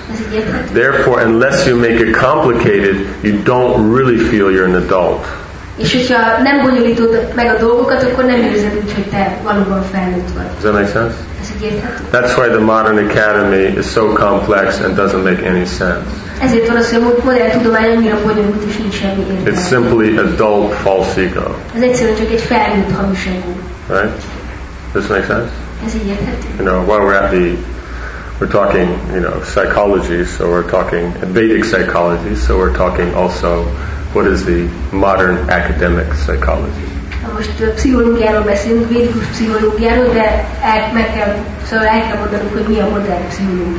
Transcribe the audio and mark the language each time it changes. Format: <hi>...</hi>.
<en>Therefore, unless you make it complicated, you don't really feel you're an adult.</en> <hu>És hogyha nem bonyolítod meg a dolgokat, akkor nem érzed úgy, hogy te valóban felnőtt vagy.</hu> <en>Does that make sense?</en> <hu>Ez így érthető.</hu> <en>That's why the modern academy is so complex and doesn't make any sense.</en> <hu>Ezért van az, hogy a modern tudomány annyira bonyolult, és nincs semmi értelme.</hu> <en>It's simply adult false ego.</en> <hu>Ez egyszerűen csak egy felnőtt hamis ego.</hu> <en>Right? Does that make sense?</en> <hu>Ez így érthető.</hu> <en>You know, while we're at the... We're talking, you know, psychology, so we're talking Vedic psychology, so we're talking also what is the modern academic psychology?</en> <hu>Most pszichológiáról beszélünk, védikus pszichológiáról, de el kell mondanunk, hogy mi a modern pszichológia.</hu>